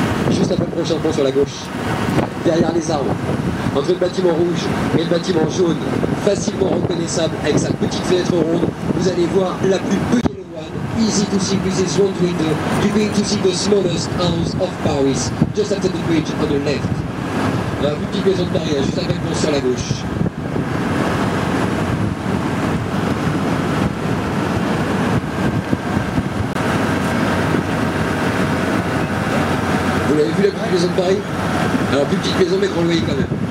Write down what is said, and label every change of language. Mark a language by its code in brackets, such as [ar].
[fr] Juste un peu le prochain pont sur la gauche. Derrière les arbres. Entre le bâtiment rouge et le bâtiment jaune. Facilement reconnaissable avec sa petite fenêtre ronde. Vous allez voir la plus petite. [en] Easy to see with this one window, you need to see the smallest house of Paris, just after the bridge on the left. [fr] La petite maison de Paris, juste après le pont sur la gauche. Vous l'avez vu la petite maison de Paris? Alors plus petite maison mais grand loyer quand même.